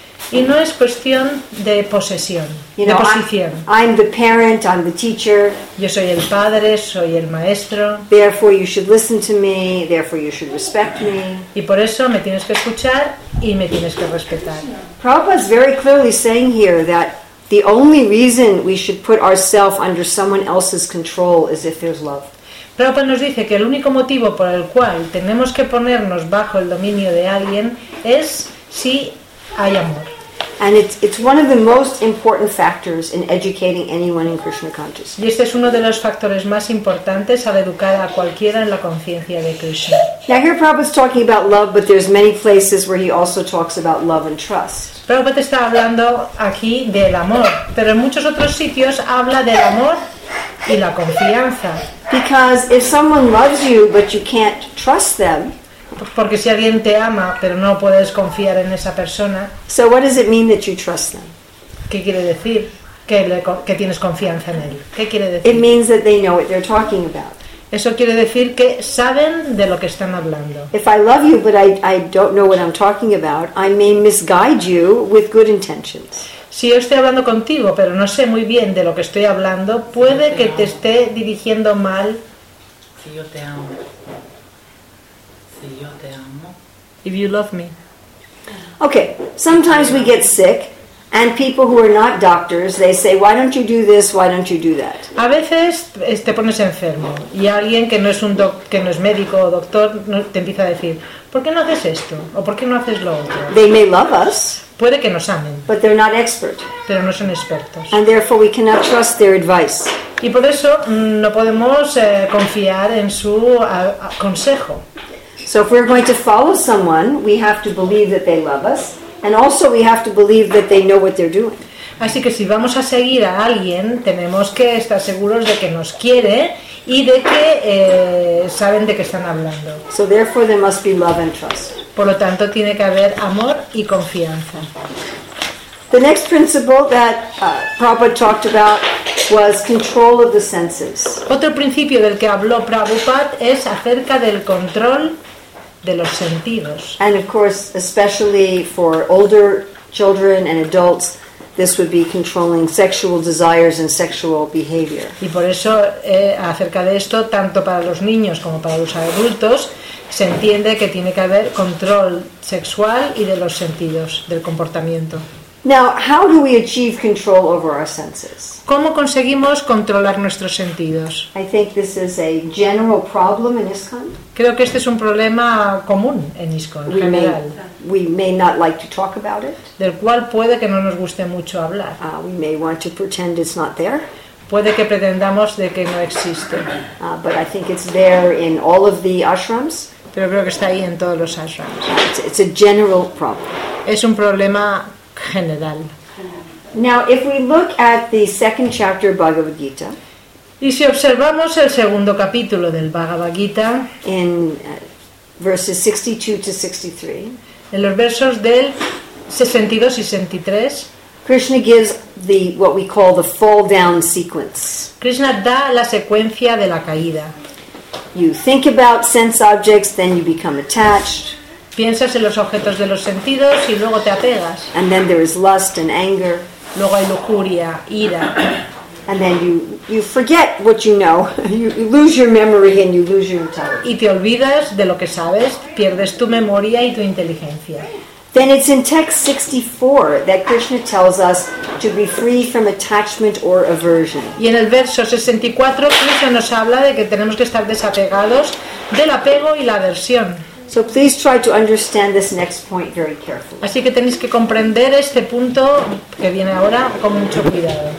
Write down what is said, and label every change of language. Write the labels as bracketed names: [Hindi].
[Spanish] Y no es cuestión de posesión, de posición. [English] I'm the parent, I'm the teacher. [Spanish] Yo soy el padre, soy el maestro. [English] Therefore you should listen to me, therefore you should respect me. [Spanish] Y por eso me tienes que escuchar y me tienes que respetar. [English] Prabhupada's very clearly saying here that the only reason we should put ourselves under someone else's control is if there's love. [Spanish] Prabhupada nos dice que el único motivo por el cual tenemos que ponernos bajo el dominio de alguien es si hay amor. [English] And it's one of the most important factors in educating anyone in Krishna consciousness. [Spanish] Y este es uno de los factores más importantes al educar a cualquiera en la conciencia de Krishna. [English] Now here Prabhupada's talking about love, but there's many places where he also talks about love and trust. [Spanish] Prabhupada está hablando aquí del amor, pero en muchos otros sitios habla del amor y la confianza. [English] Because if someone loves you but you can't trust them, [Spanish] porque si alguien te ama pero no puedes confiar en esa persona, [English] so what does it mean that you trust them? [Spanish] ¿Qué quiere decir que tienes confianza en él? ¿Qué quiere decir? [English] It means that they know what they're talking about. [Spanish] Eso quiere decir que saben de lo que están hablando. [English] If I love you but I don't know what I'm talking about, I may misguide you with good intentions. [Spanish] Si yo estoy hablando contigo, pero no sé muy bien de lo que estoy hablando, puede que te esté dirigiendo mal. Si yo te amo. Si yo te amo. [English] If you love me. Okay, sometimes we get sick, and people who are not doctors, they say, why don't you do this, why don't you do that? [Spanish] A veces te pones enfermo, y alguien que no es un médico o doctor te empieza a decir, ¿por qué no haces esto? ¿O por qué no haces lo otro? [English] They may love us. [Spanish] Puede que nos amen, [English] but they're not expert. [Spanish] Pero no son expertos. [English] And therefore we cannot trust their advice. [Spanish] Y por eso no podemos confiar en su consejo. [English] So if we're going to follow someone, we have to believe that they love us, and also we have to believe that they know what they're doing. [Spanish] Así que si vamos a seguir a alguien, tenemos que estar seguros de que nos quiere y de que saben de qué están hablando. [English] So therefore there must be love and trust. [Spanish] Por lo tanto, tiene que haber amor y confianza. [English] The next principle that Prabhupada talked about was control of the senses. [Spanish] Otro principio del que habló Prabhupada es acerca del control de los sentidos. [English] And of course, especially for older children and adults, this would be controlling sexual desires and sexual behavior. [Spanish] Y por eso, acerca de esto, tanto para los niños como para los adultos, se entiende que tiene que haber control sexual y de los sentidos, del comportamiento. [English] Now, how do we achieve control over our senses? [Spanish] ¿Cómo conseguimos controlar nuestros sentidos? [English] I think this is a general problem in ISKCON. [Spanish] Creo que este es un problema común en ISKCON, en general. [English] We may not like to talk about it. [Spanish] Del cual puede que no nos guste mucho hablar. [English] We may want to pretend it's not there. [Spanish] Puede que pretendamos de que no existe. [English] But I think it's there in all of the ashrams. [Spanish] Pero creo que está ahí en todos los ashrams. [English] It's a general problem. [Spanish] Es un problema general. [English] Now, if we look at the second chapter of Bhagavad Gita, [Spanish] y si observamos el segundo capítulo del Bhagavad Gita, [English] in verses 62-63, [Spanish] en los versos del 62 y 63, [English] Krishna gives the what we call the fall down sequence. [Spanish] Krishna da la secuencia de la caída. [English] You think about sense objects, then you become attached. [Spanish] Piensas en los objetos de los sentidos y luego te apegas. [English] And then there is lust and anger. [Spanish] Luego hay lujuria, ira. [English] And then you forget what you know. You lose your memory and you lose your intelligence. [Spanish] Y te olvidas de lo que sabes, pierdes tu memoria y tu inteligencia. [English] Then it's in text 64 that Krishna tells us to be free from attachment or aversion. [Spanish] Y en el verso 64 Krishna nos habla de que tenemos que estar desapegados del apego y la aversión. [English] So please try to understand this next point very carefully. [Spanish] Así que tenéis que comprender este punto que viene ahora con mucho cuidado.